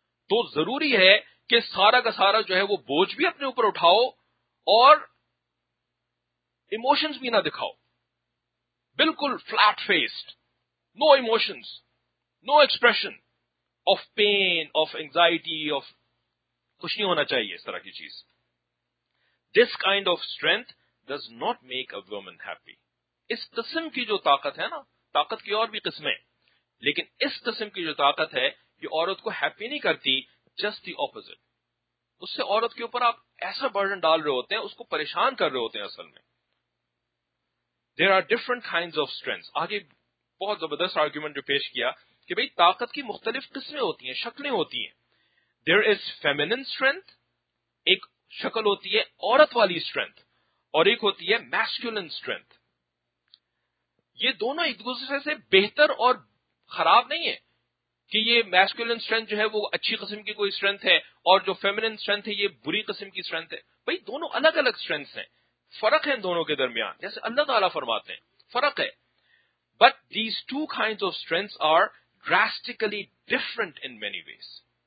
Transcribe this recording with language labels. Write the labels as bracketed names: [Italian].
[Urdu] تو ضروری ہے کہ سارا کا سارا جو ہے وہ بوجھ بھی اپنے اوپر اٹھاؤ اور ایموشنز بھی نہ دکھاؤ, بالکل [English] flat faced, no emotions, no expression of pain, of anxiety, of [Urdu] خوشی ہونا چاہیے اس طرح کی چیز. [English] This kind of strength does not make a woman happy. [Urdu] اس قسم کی جو طاقت ہے نا, طاقت کی اور بھی قسمیں, لیکن اس قسم کی جو طاقت ہے یہ عورت کو ہیپی نہیں کرتی, [English] Just the opposite. [Urdu] اس سے عورت کے اوپر آپ ایسا برڈن ڈال رہے ہوتے ہیں, اس کو پریشان کر رہے ہوتے ہیں اصل میں. [English] There are different kinds of strength. [Urdu] آگے بہت زبردست آرگیومنٹ جو پیش کیا کہ بھائی طاقت کی مختلف قسمیں ہوتی ہیں, شکلیں ہوتی ہیں. [English] there is feminine strength, [Urdu] ایک شکل ہوتی ہے عورت والی اسٹرینتھ, اور ایک ہوتی ہے میسکولن اسٹرینتھ. یہ دونوں ایک دوسرے سے بہتر اور خراب نہیں ہے کہ یہ میسکولن اسٹرینتھ جو ہے وہ اچھی قسم کی کوئی اسٹرینتھ ہے اور جو فیمینن اسٹرینتھ ہے یہ بری قسم کی اسٹرینتھ ہے. بھائی دونوں الگ الگ اسٹرینتھ ہیں, فرق ہے دونوں کے درمیان, جیسے اللہ تعالیٰ فرماتے ہیں فرق ہے. [English] But these two kinds of strength are drastically different in many ways.